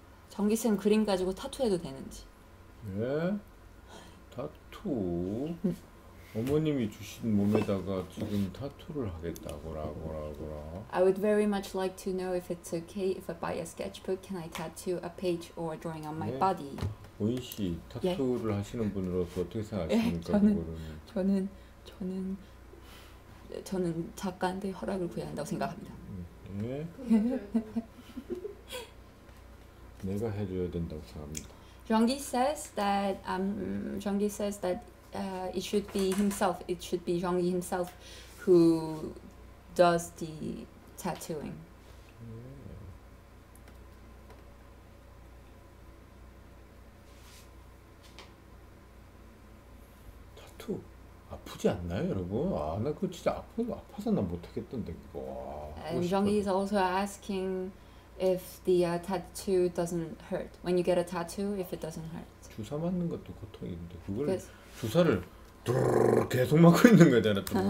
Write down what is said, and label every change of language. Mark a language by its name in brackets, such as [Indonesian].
[Korean] 전기센 그림 가지고 타투 해도 되는지. 예? 타투? 어머님이 주신 몸에다가 지금 타투를 하겠다고라고라고라. [English] I would very much like to know if it's okay if I buy a sketchbook, can I tattoo a page or a drawing on my body? [Korean] 오인 씨, 타투를 예. 하시는 분으로서 어떻게 생각하십니까? 예, 저는 작가한테 허락을 구해야 한다고 생각합니다. 예? 내가 해줘야 된다고 생각합니다. [English] Zhonggi says that it should be himself. It should be Zhonggi himself who does the tattooing. [Korean] 타투 아프지 않나요, 여러분? 아, 나 그거 진짜 아파서 나 못하겠던데 그거. [English] 아, Zhonggi is also asking if the tattoo doesn't hurt. When you get a tattoo, if it doesn't hurt. [Korean] 주사 맞는 것도 고통인데 그걸 주사를 계속 맞고 있는 거잖아.